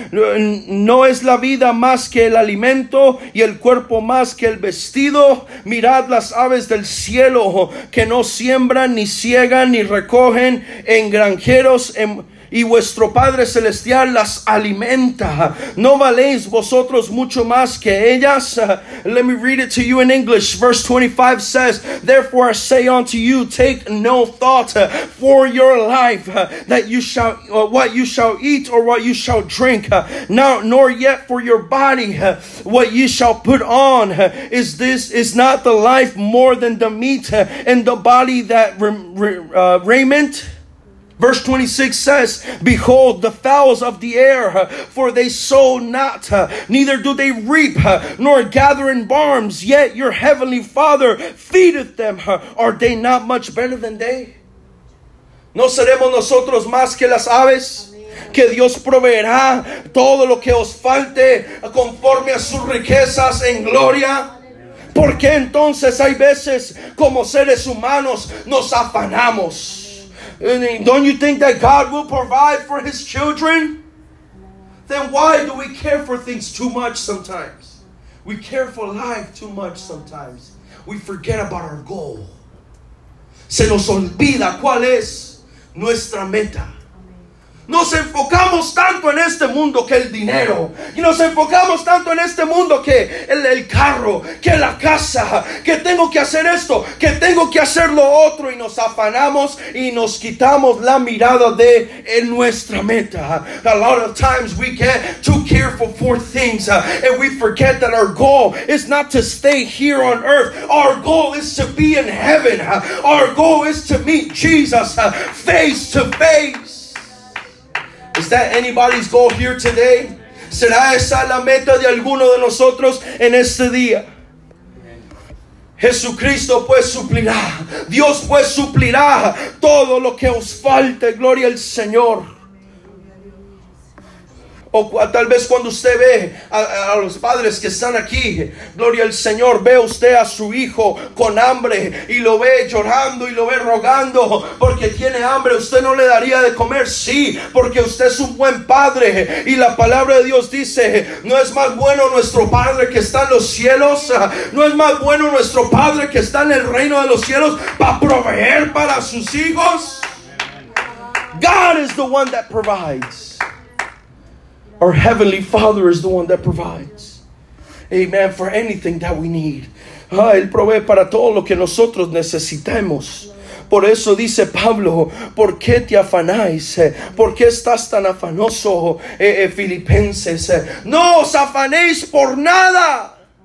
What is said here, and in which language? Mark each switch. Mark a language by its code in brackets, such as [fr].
[es] ¿No es la vida más que el alimento y el cuerpo más que el vestido? Mirad las aves del cielo, que no siembran, ni siegan, ni recogen en granjeros, y vuestro Padre Celestial las alimenta. ¿No valéis vosotros mucho más que ellas? [en] Let me read it to you in English. Verse 25 says, therefore I say unto you, take no thought for your life that you shall what you shall eat or what you shall drink. Now, nor yet for your body what you shall put on. Is not the life more than the meat and the body that raiment? Verse 26 says, behold, the fowls of the air, for they sow not, neither do they reap, nor gather in barns, yet your heavenly Father feedeth them. Are they not much better than they? [es] ¿No seremos nosotros más que las aves? Que Dios proveerá todo lo que os falte conforme a sus riquezas en gloria. ¿Por qué entonces hay veces como seres humanos nos afanamos? [en] Don't you think that God will provide for his children? Then why do we care for things too much sometimes? We care for life too much sometimes. We forget about our goal. [es] Se nos olvida cuál es nuestra meta. Nos enfocamos tanto en este mundo que el dinero. Y nos enfocamos tanto en este mundo que el carro, que la casa, que tengo que hacer esto, que tengo que hacer lo otro. Y nos afanamos y nos quitamos la mirada de nuestra meta. [en] A lot of times we get too careful for things. And we forget that our goal is not to stay here on earth. Our goal is to be in heaven. Our goal is to meet Jesus face to face. Is that anybody's goal here today? [es] ¿Será esa la meta de alguno de nosotros en este día? Jesucristo pues suplirá. Dios pues suplirá todo lo que os falte. Gloria al Señor. O tal vez cuando usted ve a los padres que están aquí, gloria al Señor, ve usted a su hijo con hambre y lo ve llorando y lo ve rogando porque tiene hambre, usted no le daría de comer, sí, porque usted es un buen padre. Y la palabra de Dios dice, no es más bueno nuestro Padre que está en los cielos, no es más bueno nuestro Padre que está en el reino de los cielos para proveer para sus hijos. [en] God is the one that provides. Our Heavenly Father is the one that provides. Amen. For anything that we need. [es] Ah, Él provee para todo lo que nosotros necesitemos. Por eso dice Pablo, ¿por qué te afanáis? ¿Por qué estás tan afanoso, Filipenses? No os afanéis por nada.